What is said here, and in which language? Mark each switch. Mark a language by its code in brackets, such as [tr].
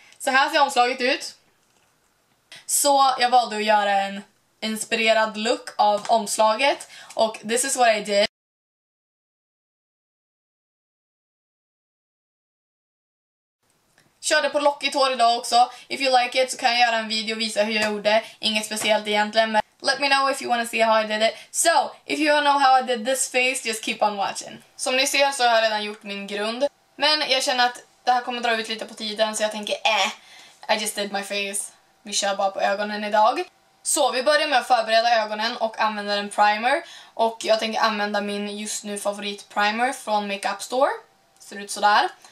[sv] Så här ser omslaget ut. Så jag valde att göra en inspirerad look av omslaget. [en] Och this is what I did. [sv] Körde på lockigt hår idag också. [en] If you like it [sv] så kan jag göra en video och visa hur jag gjorde. Inget speciellt egentligen, men [en] let me know if you want to see how I did it. So, if you want to know how I did this face, just keep on watching. [sv] Som ni ser så har jag redan gjort min grund. Men jag känner att det här kommer dra ut lite på tiden, så jag tänker, [en] I just did my face. [sv] Vi kör bara på ögonen idag. Så, vi börjar med att förbereda ögonen och använda en primer. Och jag tänker använda min just nu favorit primer från Makeup Store. Ser ut sådär.